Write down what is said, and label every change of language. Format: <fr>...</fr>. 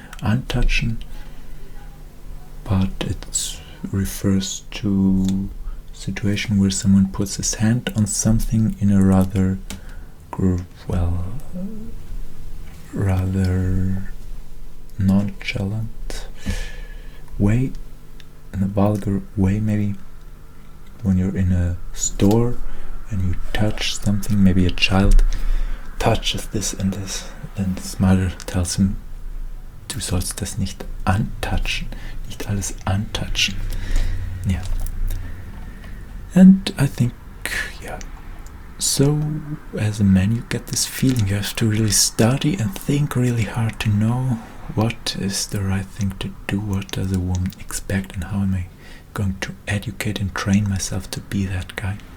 <en>Untouchen, but it refers to a situation where someone puts his hand on something in a rather rather nonchalant way, in a vulgar way maybe, when you're in a store and you touch something, maybe a child touches this and this, then his mother tells him</en> <de>du sollst das nicht antatschen, nicht alles antatschen.</de> <en>Yeah. And I think, yeah, so as a man you get this feeling, you have to really study and think really hard to know what is the right thing to do, what does a woman expect, and how am I going to educate and train myself to be that guy.</en>